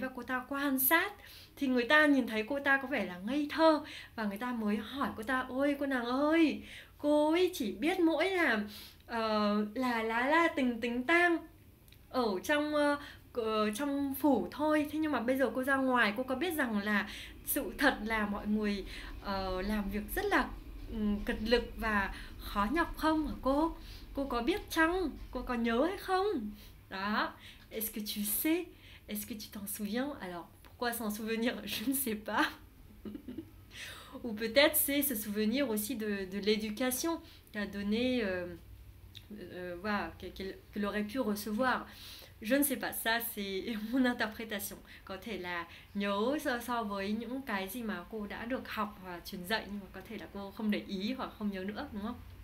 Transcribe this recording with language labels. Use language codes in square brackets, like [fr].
[vi] Và cô ta quan sát thì người ta nhìn thấy cô ta có vẻ là ngây thơ, và người ta mới hỏi cô ta, ôi cô nàng ơi, cô ấy chỉ biết mỗi là lá la tình tình tang ở trong trong phủ thôi, thế nhưng mà bây giờ cô ra ngoài, cô có biết rằng là sự thật là mọi người làm việc rất là cật lực và khó nhọc không hả cô? Cô có biết chăng? Cô có nhớ hay không? Đó. [fr] Est-ce que tu sais? Est-ce que tu t'en souviens? Alors, pourquoi s'en souvenir? Je ne sais pas. Ou peut-être c'est ce souvenir aussi de l'éducation qu'a donné, voilà, qu'elle aurait pu recevoir. Je ne sais pas, ça c'est mon interprétation. [vi] Có thể là nhớ so với những cái gì mà cô đã được học và truyền dạy, nhưng mà có thể là cô không để ý hoặc không nhớ nữa, đúng không?